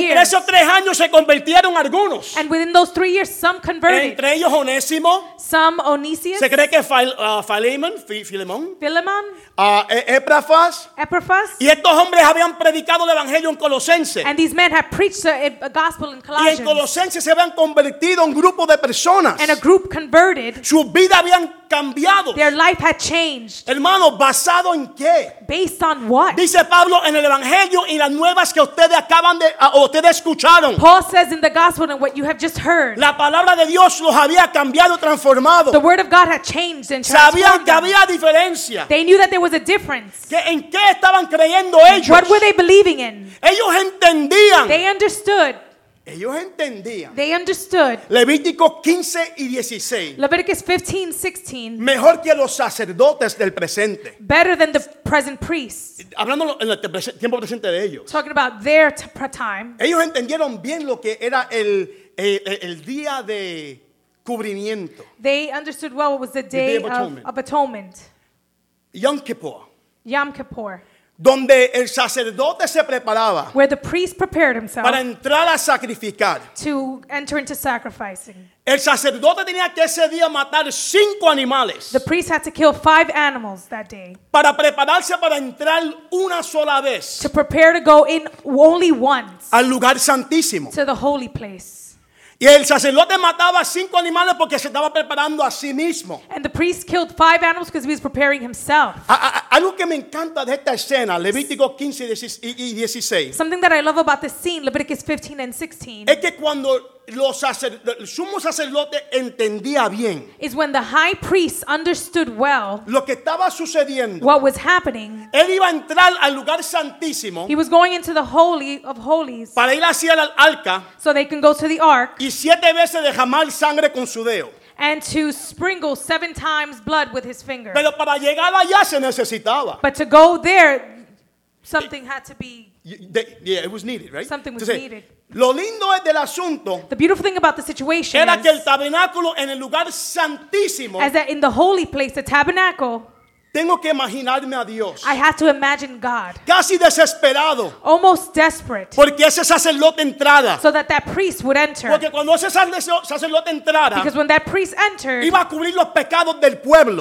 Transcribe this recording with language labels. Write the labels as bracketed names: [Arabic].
[Spanish] Y en esos tres años se convirtieron algunos. [English] And within those 3 years, some converted. [Spanish] Entre ellos Onésimo. [English] Some Onesius. [Spanish] Se cree que Philemon. Philemon. [English] Philemon. [Spanish] Epaphras. [English] Epaphras. [Spanish] Y estos hombres habían predicado el evangelio en Colosense. [English] And these men had preached a gospel in Colossians. [Spanish] Y en Colosense se habían convertido un grupo de personas. [English] And a group converted. [Spanish] Su vida habían cambiado. [English] Their life had changed. [Spanish] Hermano, ¿basado en qué? [English] Based on what? [Spanish] Dice Pablo en el evangelio y las nuevas que ustedes acaban de ustedes escucharon. [English] Paul says in the gospel and what you have just heard. [Spanish] La palabra de Dios los había cambiado, transformado. [English] The word of God had changed and transformed. [Spanish] Sabían que había diferencia. [English] They knew that there was a difference. [Spanish] ¿Qué, en qué estaban creyendo ellos? [English] What were they believing in? [Spanish] Ellos entendían. [English] They understood. [Spanish] Ellos entendían. [English] They understood. [Spanish] Levítico 15 y 16. [English] Leviticus 15, 16. [Spanish] Mejor que los sacerdotes del presente. [English] Better than the present priests. [Spanish] Hablando en el tiempo presente de ellos. [English] Talking about their time. [Spanish] Ellos entendieron bien lo que era el día de cubrimiento. [English] They understood well what was the day of atonement. [Spanish] Yom Kippur. [English] Yom Kippur. [Spanish] Donde el sacerdote se preparaba. [English] Where the priest prepared himself. [Spanish] Para entrar a sacrificar. [English] To enter into sacrificing. [Spanish] El sacerdote tenía que ese día matar 5 animales. [English] The priest had to kill 5 animals that day. [Spanish] Para prepararse para entrar una sola vez. [English] To prepare to go in only once. [Spanish] Al lugar santísimo. [English] To the holy place. [Spanish] Y el sacerdote mataba 5 animales porque se estaba preparando a sí mismo. [English] And the priest killed 5 animals because he was preparing himself. [Spanish] Algo que me encanta de esta escena, Levítico 15 y 16. [English] Something that I love about this scene, Leviticus 15 and 16. [Spanish] Es que cuando el sumo sacerdote entendía bien. [English] Is when the high priest understood well. [Spanish] Lo que estaba sucediendo. [English] What was happening. [Spanish] Él iba a entrar al lugar santísimo. [English] He was going into the holy of holies. [Spanish] Para ir hacia el arca. [English] So they can go to the ark. [Spanish] Y 7 veces derramar sangre con su dedo. [English] And to sprinkle 7 times blood with his finger. [Spanish] Pero para llegar allá se necesitaba. [English] But to go there, something had to be. Yeah, it was needed, right? Something was needed. [Spanish] Lo lindo es del asunto. [English] The beautiful thing about the situation [Spanish] era que el tabernáculo en el lugar santísimo. [English] As that in the holy place, the tabernacle. [Spanish] Tengo que imaginarme a Dios. [English] I have to imagine God. [Spanish] Casi desesperado. [English] Almost desperate. [Spanish] Porque ese sacerdote entrara. [English] So that that priest would enter. [Spanish] Porque cuando ese sacerdote entrara. [English] Because when that priest entered. [Spanish] Iba a cubrir los pecados del pueblo.